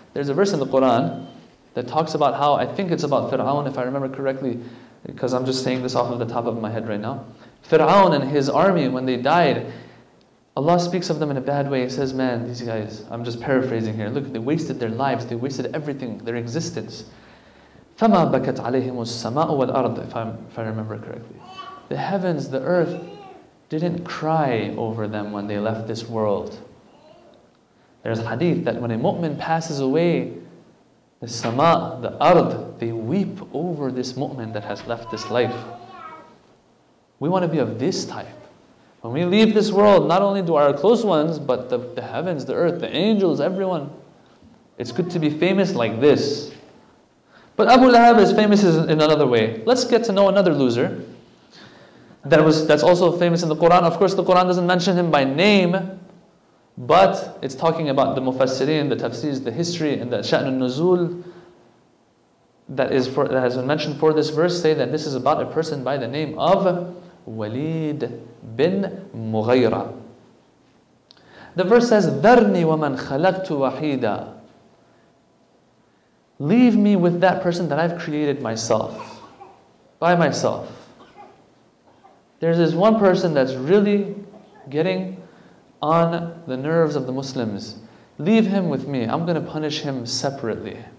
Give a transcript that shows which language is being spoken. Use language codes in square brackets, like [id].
[en] There's a verse in the Quran that talks about how, I think it's about Fir'aun if I remember correctly, because I'm just saying this off of the top of my head right now. Fir'aun and his army, when they died, Allah speaks of them in a bad way. He says, man, these guys, I'm just paraphrasing here. Look, they wasted their lives, they wasted everything, their existence. [ar] فَمَا بَكَتْ عَلَيْهِمُ السَّمَاءُ وَالْأَرْضِ [en] if I remember correctly. The heavens, the earth, didn't cry over them when they left this world. There's a hadith that when a mu'min passes away, the sama', the ard, they weep over this mu'min that has left this life. We want to be of this type. When we leave this world, not only do our close ones, but the heavens, the earth, the angels, everyone. It's good to be famous like this. But Abu Lahab is famous in another way. Let's get to know another loser that's also famous in the Quran. Of course, the Quran doesn't mention him by name, but it's talking about the Mufassirin, the Tafsirs, the history, and the Sha'n al-Nuzul that has been mentioned for this verse, say that this is about a person by the name of Walid bin Mughayra. The verse says, [ar] ذَرْنِي وَمَنْ خَلَقْتُ وَحِيدًا. [en] Leave me with that person that I've created myself, by myself. There's this one person that's really getting on the nerves of the Muslims. Leave him with me, I'm going to punish him separately.